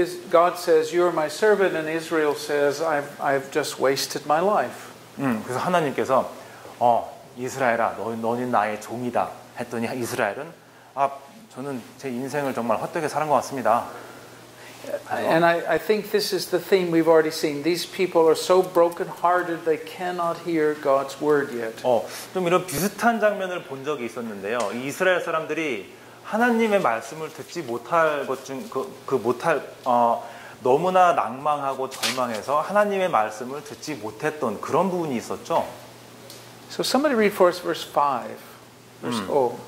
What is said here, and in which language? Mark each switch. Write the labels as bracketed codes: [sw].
[en] God says you are my servant and Israel says I've just wasted my life. [ko] 그래서 하나님께서 이스라엘아 너는 나의 종이다 했더니 이스라엘은 아 저는 제 인생을 정말 헛되게 살은 것 같습니다. [en] And I think this is the theme we've already seen. These people are so broken-hearted they cannot hear God's word yet. [ko] 좀 이런 비슷한 장면을 본 적이 있었는데요. 이스라엘 사람들이 하나님의 말씀을 듣지 못할 것 중 그 못할 너무나 낭망하고 절망해서 하나님의 말씀을 듣지 못했던 그런 부분이 있었죠. [en] So somebody read for us verse 5.